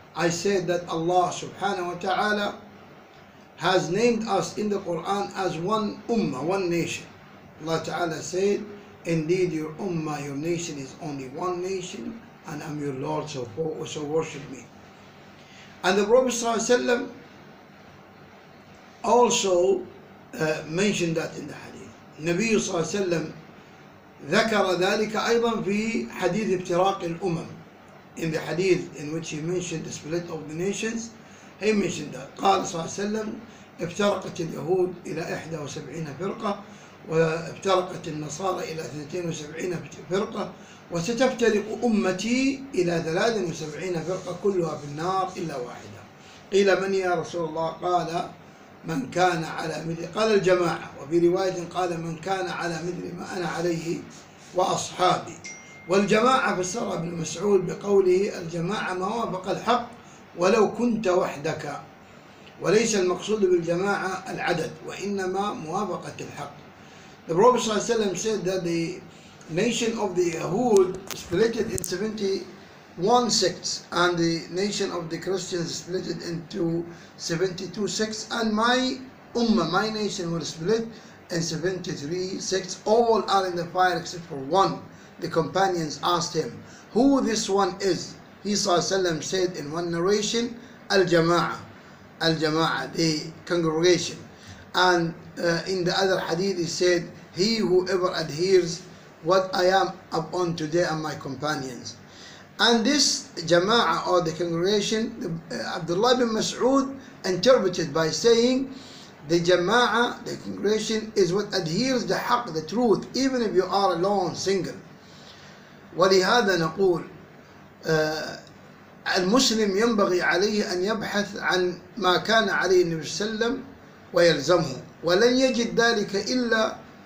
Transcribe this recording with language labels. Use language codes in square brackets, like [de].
[en] I said that Allah subhanahu wa ta'ala has named us in the Quran as one ummah, one nation. Allah ta'ala said, indeed your ummah, your nation is only one nation, and I'm your Lord, so worship me. And the Prophet sallallahu alayhi wa sallam also mentioned that in the hadith. Nabi sallallahu alayhi wa sallam [ar] ذكر ذلك أيضا في حديث افتراق الأمم. In the hadith in which he mentioned the split of the nations, he mentioned that. قال صلى الله عليه وسلم افترقت اليهود إلى 71 فرقة، وافترقت النصارى إلى 72 فرقة، وستفترق أمتي إلى 73 فرقة كلها في النار إلا واحدة. قيل من يا رسول الله؟ قال من كان على مثل، قال الجماعة، وفي رواية قال من كان على مثل ما أنا عليه وأصحابي. والجماعة فسر ابن مسعود بقوله الجماعة ما وافق الحق ولو كنت وحدك، وليس المقصود بالجماعة العدد وإنما موافقة الحق. [en] The Prophet صلى الله عليه وسلم said that the nation of the Yahud split it in 71 sects and the nation of the Christians split it into 72 sects and my ummah, my nation will split in 73 sects. All are in the fire except for one. The companions asked him, who this one is? He صلى الله عليه وسلم said in one narration, الجماعة, the congregation. And in the other hadith he said, he whoever adheres what I am upon today and my companions. And this jama'ah or the congregation, Abdullah ibn Mas'ud interpreted by saying, the jama'ah, the congregation, is what adheres the haq, the truth, even if you are alone, single. [ar] ولهذا نقول المسلم ينبغي عليه أن يبحث عن ما كان عليه النبي صلى الله عليه وسلم ويلزمه، ولن يجد ذلك إلا